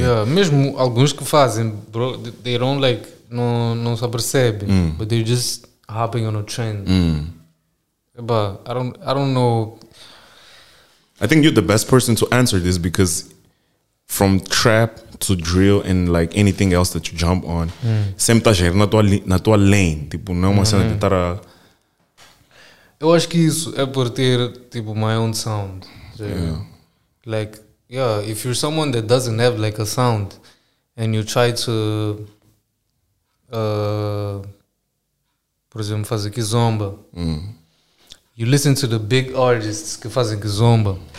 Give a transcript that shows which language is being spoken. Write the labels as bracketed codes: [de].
[en] Yeah, [pt] mesmo alguns que fazem, [en] bro, they don't like, [pt] não se apercebem, [en] but they're just hopping on a trend. But I don't know. I think you're the best person to answer this, because from trap to drill and like anything else that you jump on, [pt] sempre estás a ir na tua lane. Tipo, não é uma cena de estar a... Eu acho que isso é por ter tipo [en] my own sound. Like, yeah, if you're someone that doesn't have like a sound and you try to [pt] por exemplo fazer kizomba, [en] you listen to the big artists [pt] que fazem kizomba.